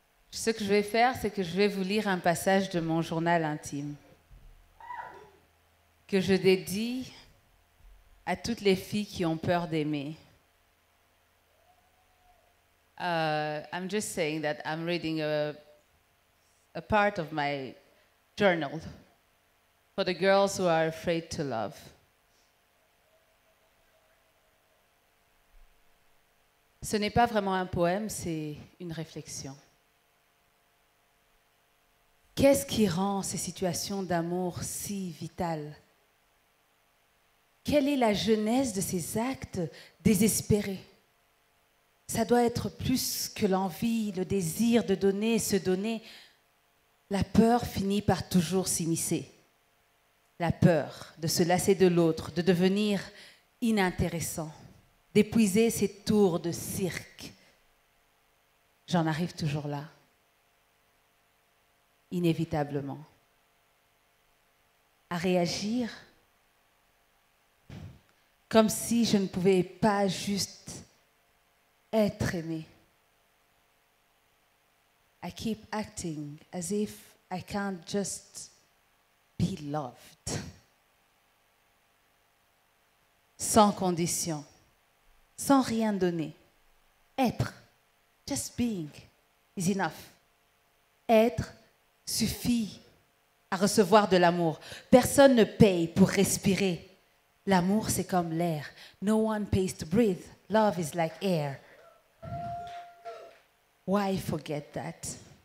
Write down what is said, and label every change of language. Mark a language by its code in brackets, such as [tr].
[fr] Ce que je vais faire, c'est que je vais vous lire un passage de mon journal intime que je dédie à toutes les filles qui ont peur d'aimer. [en] I'm just saying that I'm reading a part of my journal for the girls who are afraid to love. [fr] Ce n'est pas vraiment un poème, c'est une réflexion. Qu'est-ce qui rend ces situations d'amour si vitales? Quelle est la genèse de ces actes désespérés? Ça doit être plus que l'envie, le désir de donner, se donner. La peur finit par toujours s'immiscer. La peur de se lasser de l'autre, de devenir inintéressant, d'épuiser ses tours de cirque. J'en arrive toujours là. Inévitablement. À réagir comme si je ne pouvais pas juste être aimé. [en] I keep acting as if I can't just be loved. [fr] Sans condition, sans rien donner. Être, [en] just being, [fr] is enough. Être suffit à recevoir de l'amour. Personne ne paye pour respirer. L'amour, c'est comme l'air. [en] No one pays to breathe. Love is like air. Why forget that?